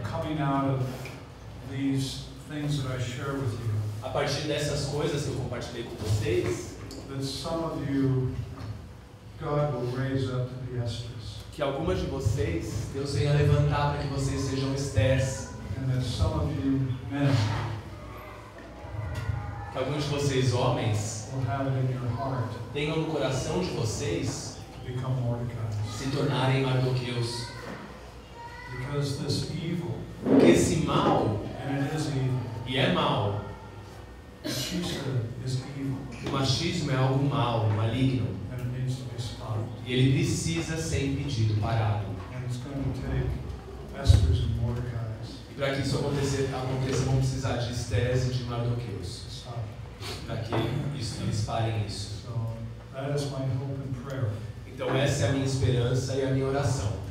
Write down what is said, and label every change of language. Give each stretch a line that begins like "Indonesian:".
English: coming out of these things that I share with you,
Portuguese: a partir dessas coisas que eu compartilhei com vocês,
English: that some of you, God will raise up to be Esthers.
Portuguese: Que algumas de vocês, Deus venha levantar para que vocês sejam Esthers.
English: E and that some of you men,
Portuguese: que alguns de vocês homens tenham no coração de vocês se tornarem Mardoqueus.
English: Because this evil,
Portuguese: porque esse mal,
English: and it is evil,
Portuguese: e é mal,
English: is evil,
Portuguese: o machismo é algo mal, maligno,
English: and it needs to be stopped,
Portuguese: e ele precisa ser impedido, parado.
English: And it's going to take Esther's and Mordecai's.
Portuguese: E para que isso aconteça, vão precisar de Esther e de Mardoqueus. Para que eles parem isso.
English: So, that is my hope and prayer.
Portuguese: Então essa é a minha esperança e a minha oração.